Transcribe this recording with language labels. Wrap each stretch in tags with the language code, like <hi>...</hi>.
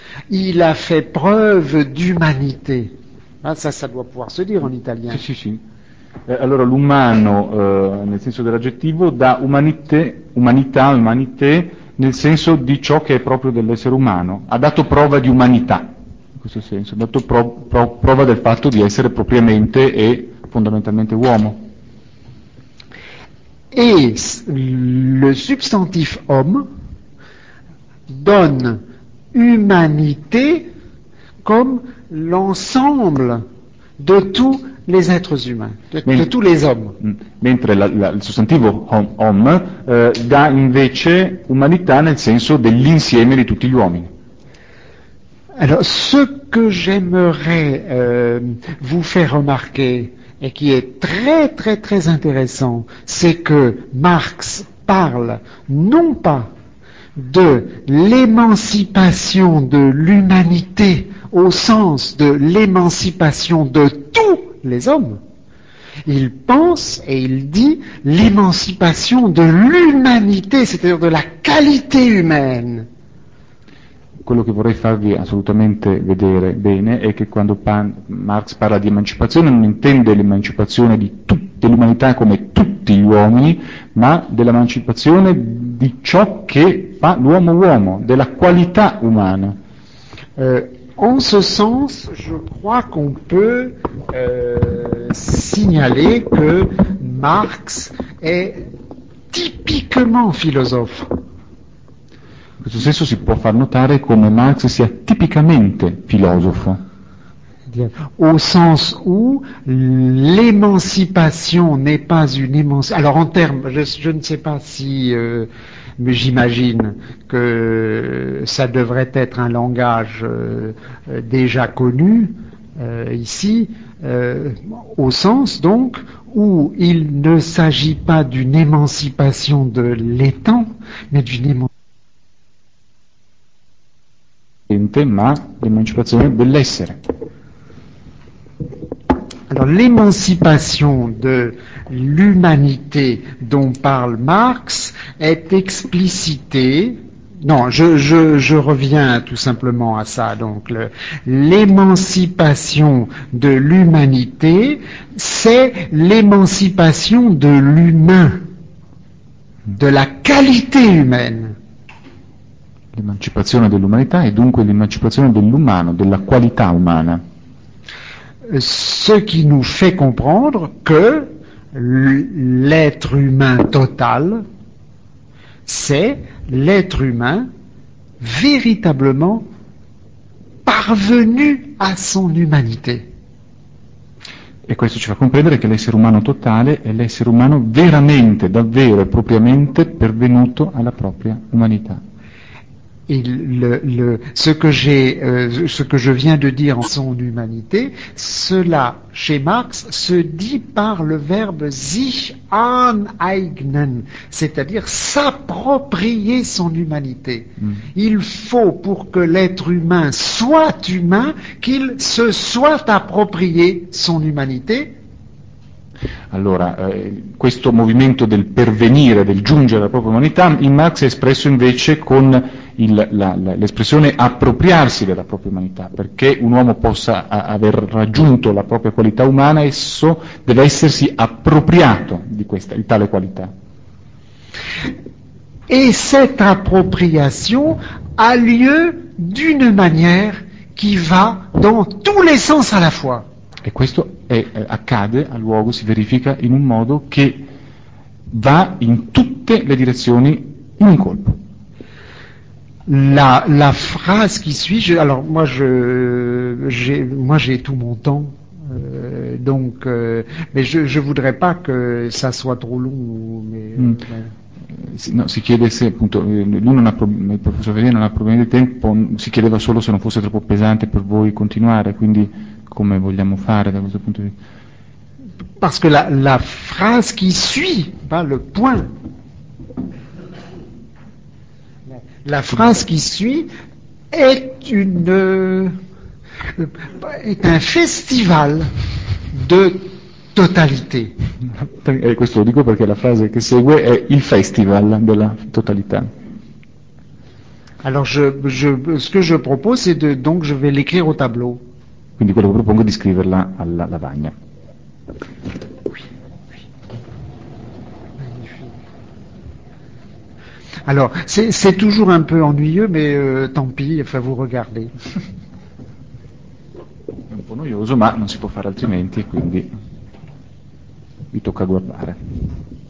<fr>Il a fait preuve d'humanité. Ah, ça doit pouvoir se dire en italien.</fr> <it>Sì, sì, sì. Allora, l'umano, nel senso dell'aggettivo, dà umanità, nel senso di ciò che è proprio dell'essere umano. Ha dato prova di umanità, in questo senso. Ha dato prova del fatto di essere propriamente e fondamentalmente uomo.</it> <fr>Et le substantif homme donne humanité comme l'ensemble de tous les êtres humains, de tous les hommes.</fr> <it>Mentre il sostantivo homme dà invece umanità nel senso dell'insieme di tutti gli uomini.</it> <fr>Alors, ce que j'aimerais vous faire remarquer et qui est très très très intéressant, c'est que Marx parle non pas de l'émancipation de l'humanité au sens de l'émancipation de tous les hommes. Il pense et il dit l'émancipation de l'humanité, c'est-à-dire de la qualité humaine.</fr> <it>Quello che vorrei farvi assolutamente vedere bene è che quando Marx parla di emancipazione non intende l'emancipazione di dell'umanità come tutti gli uomini, ma dell'emancipazione di ciò che fa l'uomo uomo, della qualità umana.</it> <fr>En ce sens, je crois qu'on peut signaler que Marx est typiquement philosophe.</fr> <it>In questo senso si può far notare come Marx sia tipicamente filosofo.</it> <fr>Au sens où l'émancipation n'est pas une émancipation. Alors en termes, je ne sais pas si, mais j'imagine que ça devrait être un langage déjà connu ici, au sens donc où il ne s'agit pas d'une émancipation de l'étant, mais d'une émancipation.</fr> <it>Ma</it> <fr>l'émancipation de</fr> <it>l'essere.</it> <fr>Alors l'émancipation de l'humanité dont parle Marx est explicitée. Non, je reviens tout simplement à ça. Donc l'émancipation de l'humanité, c'est l'émancipation de l'humain, de la qualité humaine.</fr> <it>L'emancipazione dell'umanità è dunque l'emancipazione dell'umano, della qualità umana.</it> <fr>Ce qui nous fait comprendre que l'être humain total, c'est l'être humain véritablement parvenu à son humanité.</fr> <it>E questo ci fa comprendere che l'essere umano totale è l'essere umano veramente, davvero e propriamente pervenuto alla propria umanità.</it> <fr>Ce que je viens de dire en son humanité, cela, chez Marx, se dit par le verbe sich aneignen, c'est-à-dire s'approprier son humanité. Il faut, pour que l'être humain soit humain, qu'il se soit approprié son humanité.</fr> <it>Allora, questo movimento del pervenire, del giungere alla propria umanità, in Marx è espresso invece con l'espressione appropriarsi della propria umanità, perché un uomo possa aver raggiunto la propria qualità umana, esso deve essersi appropriato di questa, di tale qualità.</it> <fr>E cette appropriation a lieu d'une manière qui va dans tous les sens à la fois.</fr> <it>E questo accade, a luogo, si verifica in un modo che va in tutte le direzioni in un colpo.</it> <fr>La phrase qui suit, j'ai tout mon temps, mais je voudrais pas que ça soit trop long.</fr> <it>Si chiede se appunto lui non ha il professor Verini non ha problemi di tempo, si chiedeva solo se non fosse troppo pesante per voi continuare, quindi come vogliamo fare da questo punto di vista?</it> <fr>Parce que la phrase qui suit, pas le point. La phrase qui suit est un festival de totalité.</fr> <it>E questo lo dico perché la frase che segue è il festival della totalità.</it> <fr>Alors je ce que je propose c'est de donc je vais l'écrire au tableau.</fr> <it>Quindi quello che propongo è di scriverla alla lavagna.</it> <fr>Alors, c'est toujours un peu ennuyeux, mais tant pis, enfin vous regardez.</fr> <it>È un po' noioso, ma non si può fare altrimenti, quindi vi tocca guardare.</it>